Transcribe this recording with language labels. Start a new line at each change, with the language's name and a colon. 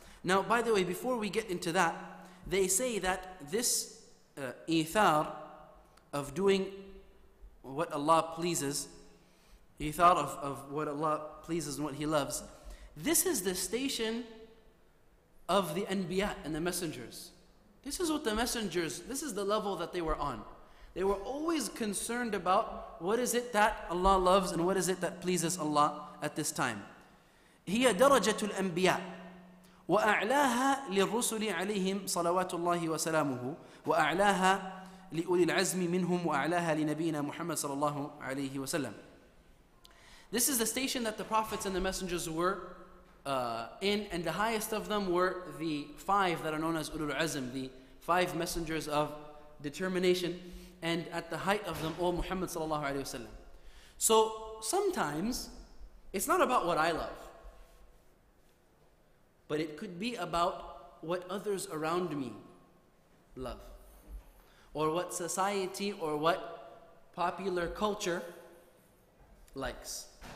English: Now, by the way, before we get into that, they say that this ithar of doing what Allah pleases, ithar of what Allah pleases and what He loves, this is the station of the anbiya and the messengers. This is what the messengers, this is the level that they were on. They were always concerned about what is it that Allah loves and what is it that pleases Allah at this time.
Arabic: هي درجة الأنبياء وأعلاها للرسل عليهم صلوات الله وسلامه وأعلاها لأولي العزم منهم وأعلاها لنبينا محمد صلى الله عليه وسلم.
English: This is the station that the prophets and the messengers were in, and the highest of them were the five that are known as Ulul Azm, the five messengers of determination, and at the height of them all, Muhammad sallallahu alayhi wa sallam. So sometimes it's not about what I love, but it could be about what others around me love, or what society or what popular culture likes.